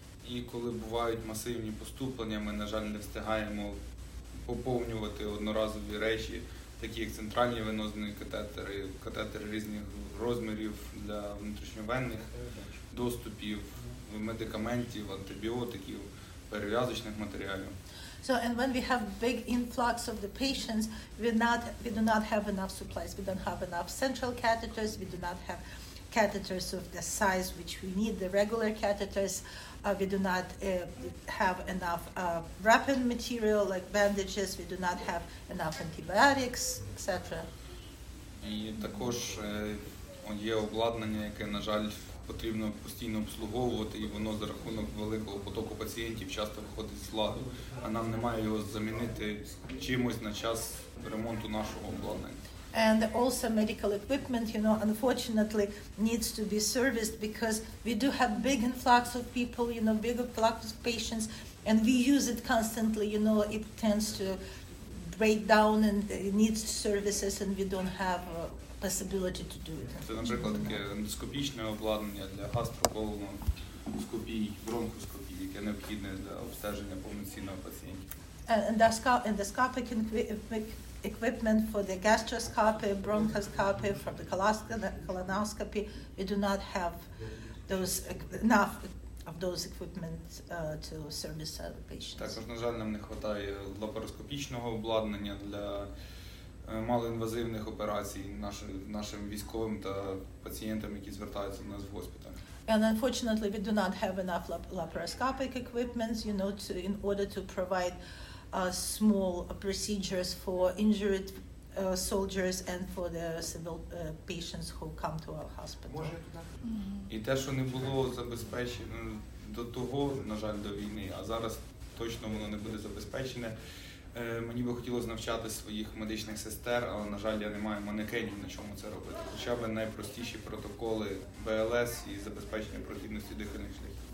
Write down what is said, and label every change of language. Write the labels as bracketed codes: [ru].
[uk] І коли бувають масивні поступлення, ми, на жаль, не встигаємо поповнювати одноразові речі, такі як центральні венозні катетери, катетери різних розмірів для внутрішньовенних доступів, медикаментів, антибіотиків, перев'язочних матеріалів. [en] So and when we have big influx of the patients, we do not have enough supplies. We don't have enough central catheters. We do not have catheters of the size which we need, the regular catheters. We do not have enough wrapping material like bandages. We do not have enough antibiotics, etc. [uk] І також є обладнання, яке, на жаль, потрібно постійно обслуговувати, і воно за рахунок великого потоку пацієнтів часто виходить з ладу, а нам немає його замінити чимось на час ремонту нашого обладнання. [en] And also medical equipment, you know, unfortunately needs to be serviced because we do have big influx of people, you know, big influx of patients, and we use it constantly, you know, it tends to break down and it needs services and we don't have a possibility to do it. [uk] Це, наприклад, таке ендоскопічне обладнання для гастроколоноскопії, бронхоскопії, яке необхідне для обстеження повноцінного пацієнта. [en] Endoscopic equipment for the gastroscopy, bronchoscopy, for the colonoscopy, we do not have those enough of those equipment to service the patients. [uk] Також, на жаль, нам не вистачає лапароскопічного обладнання для малоінвазивних операцій нашим військовим та пацієнтам, які звертаються до нас в госпіталь. [en] And unfortunately, we do not have enough laparoscopic equipment, you know, to, in order to provide small procedures for injured soldiers and for the civil patients who come to our hospital. [uk] І те, що не було забезпечено до того, на жаль, до війни, а зараз точно воно не буде забезпечене. Мені би хотілося навчати своїх медичних сестер, але, на жаль, я не маю манекенів, на чому це робити. Хоча б найпростіші протоколи БЛС і забезпечення прохідності дихальних шляхів.